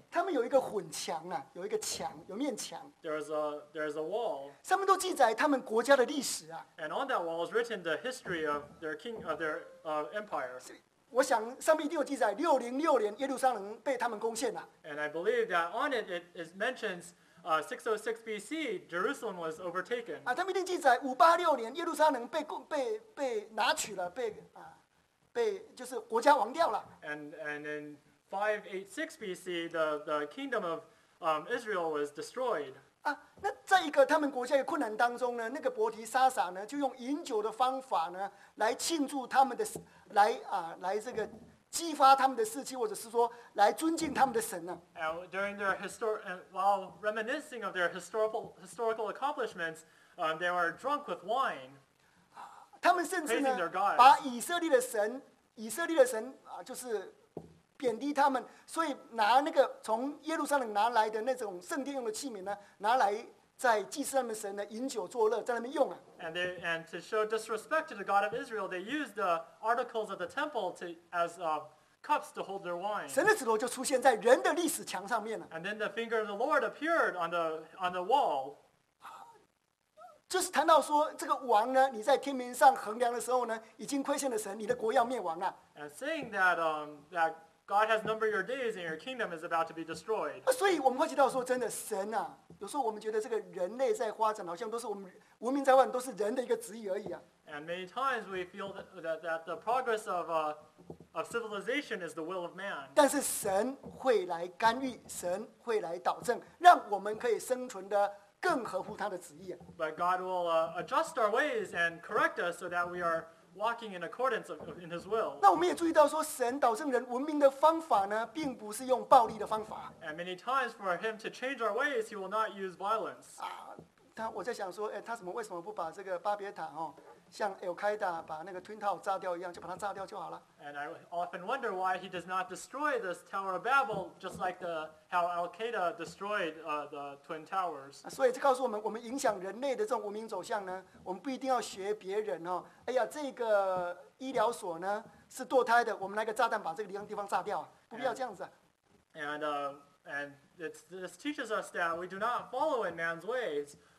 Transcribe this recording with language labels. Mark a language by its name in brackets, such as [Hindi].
[Chinese] 他们有一个混墙啊，有一个墙，有面墙。 [English] There's a wall. [Chinese] 上面都记载他们国家的历史啊。 [English] And on that wall is written the history of their king of their empire. [Chinese] 我想上面一定有记载，606年耶路撒冷被他们攻陷了。 [English] And I believe that on it it mentions 606 BC Jerusalem was overtaken. [Chinese] 啊，他们一定记载586年耶路撒冷被拿取了，被啊。就是国家亡掉了。 [English] And in 586 BC, the kingdom of Israel was destroyed. [Chinese] 啊，那在一个他们国家的困难当中呢，那个伯提撒撒呢，就用饮酒的方法呢，来庆祝他们的，来这个激发他们的士气，或者是说来尊敬他们的神呢。 [English] And during their while reminiscing of their historical accomplishments, they were drunk with wine. [Chinese] 他们甚至呢，把以色列的神、啊、就是贬低他们，所以拿那个从耶路撒冷拿来的那种圣殿用的器皿呢，拿来在祭祀他们神的饮酒作乐，在那边用啊。 [English] And to show disrespect to the God of Israel, they used the articles of the temple as cups to hold their wine. [Chinese] 神的指头就出现在人的历史墙上面了。 [English] And then the finger of the Lord appeared on the wall. [Chinese] 就是谈到说，这个王呢，你在天平上衡量的时候呢，已经亏欠了神，你的国要灭亡了。 [English] And saying that that God has numbered your days and your kingdom is about to be destroyed. [Chinese] 所以我们会提到说，真的神啊，有时候我们觉得这个人类在发展，好像都是我们文明在外，都是人的一个旨意而已啊。 [English] And many times we feel that the progress of civilization is the will of man. [Chinese] 但是神会来干预，神会来导正，让我们可以生存的。更合乎他的旨意。 [English] But God will adjust our ways and correct us so that we are walking in accordance in His will. [Chinese] 那我们也注意到说，神导正人文明的方法呢，并不是用暴力的方法。 [English] And many times for Him to change our ways, He will not use violence. [Chinese] 我在想说，他为什么不把这个巴别塔哦，像 Al Qaeda 把那个 Twin Tower 炸掉一样，就把它炸掉就好了。 [English] And I often wonder why He does not destroy this Tower of Babel, just like how Al Qaeda destroyed the Twin Towers. [Chinese] 所以这告诉我们，我们影响人类的这种文明走向呢，我们不一定要学别人哦。哎呀，这个医疗所呢是堕胎的，我们来个炸弹把这个地方炸掉，不必要这样子。 [English] And this teaches us that we do not follow in man's ways.